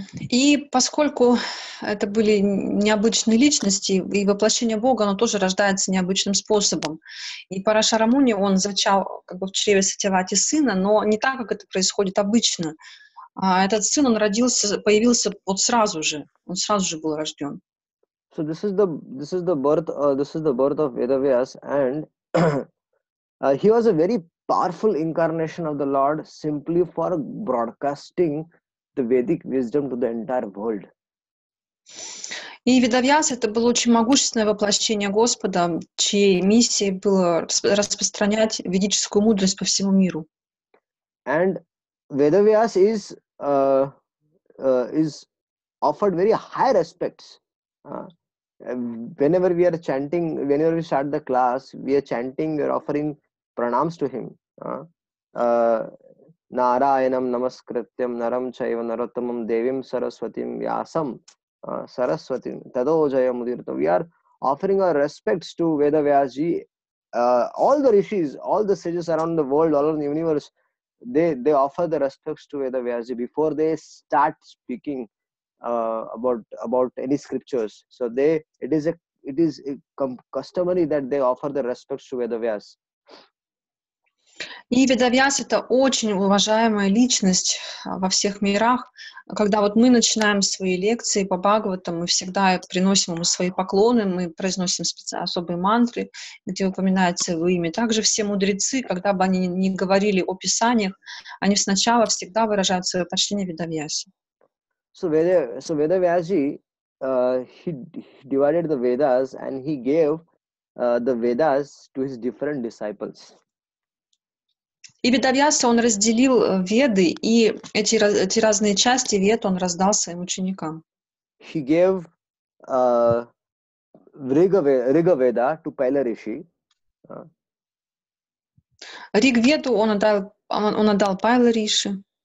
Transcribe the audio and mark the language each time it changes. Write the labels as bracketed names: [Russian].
[Russian] И поскольку это были необычные личности, и воплощение Бога, оно тоже рождается необычным способом. И Парашара Муни, он зачал как бы в чреве Сатьявати сына, но не так, как это происходит обычно. А этот сын, он родился, появился вот сразу же. Он сразу же был рожден. [English] So this is the birth of Vedavyas, and he was a very powerful incarnation of the Lord simply for broadcasting the Vedic wisdom to the entire world. [Russian] И Ведавьяс это было очень могущественное воплощение Господа, чьей миссией было распространять ведическую мудрость по всему миру. [English] And Ведавьяс is offered very high respects. Whenever we are chanting, whenever we start the class, we are chanting, we are offering pranams to him. [Sanskrit] Narayanam namaskrityam naram chaiva narottamam devim saraswatim vyasam saraswatim tado jaya mudirtam. [English] We are offering our respects to Veda Vyasji. All the rishis, all the sages around the world, all around the universe, they offer the respects to Veda Vyasji before they start speaking about any scriptures. So it is customary that they offer the respects to Veda Vyas. [Russian] И Ведавьяс — это очень уважаемая личность во всех мирах. Когда вот мы начинаем свои лекции по Бхагаватам, мы всегда приносим ему свои поклоны, мы произносим особые мантры, где упоминается его имя. Также все мудрецы, когда бы они ни говорили о писаниях, они сначала всегда выражают свое почтение Ведавьясе. [English] So Ведавьяси, he divided the Vedas and he gave the Vedas to his different disciples. [Russian] И Ведавьяса он разделил веды, и эти разные части вед он раздал своим ученикам. [English] He gave Ригаведа to Пайла Риши. [Russian] Ригведу он отдал Пайла Риши.